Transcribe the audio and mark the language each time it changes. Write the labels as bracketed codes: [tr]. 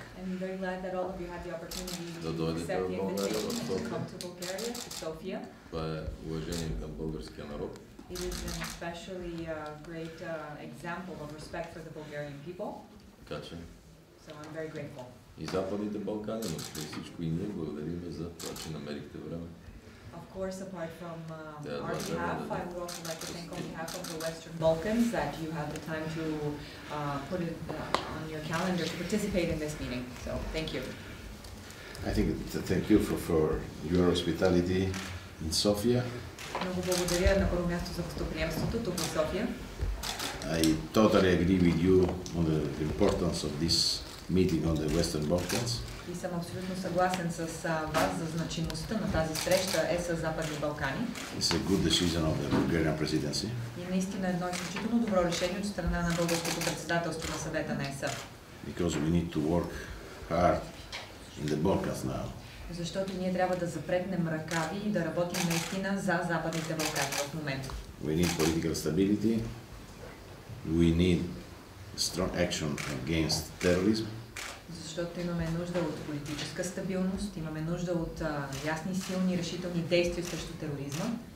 [en] I'm very glad that all of you had the opportunity to accept the invitation to come to Bulgaria, to Sofia. [bg] To je uvaženie na bulgarský národ. [en] It is an especially great example of respect for the Bulgarian people. Kače. So I'm very grateful. [bg] И Западните Балкани, но при всичко и ние благодарим за това, че намерихте време. [en] Of course, apart from our behalf, I would also like to thank on behalf of the Western Balkans that you have the time to put it on your calendar to participate in this meeting. So, thank you. I think thank you for your hospitality in Sofia. [bg] Много благодаря на първо място за гостоприемството тук в София. [en] I totally agree with you on the importance of this meeting on the Western Balkans. [bg] И съм абсолютно съгласен с вас за значимостта на тази среща е с Западните Балкани. [en] It's a good decision of the Bulgarian presidency. [bg] И наистина едно изключително добро решение от страна на българското председателство на съвета на ЕС. [en] Because we need to work hard in the Balkans now. [bg] Защото ние трябва да запретнем ръкави и да работим наистина за Западните Балкани в момента. [en] We need political stability. We need strong action against terrorism. [bg] Защото имаме нужда от политическа стабилност, имаме нужда от ясни, силни, решителни действия срещу тероризма.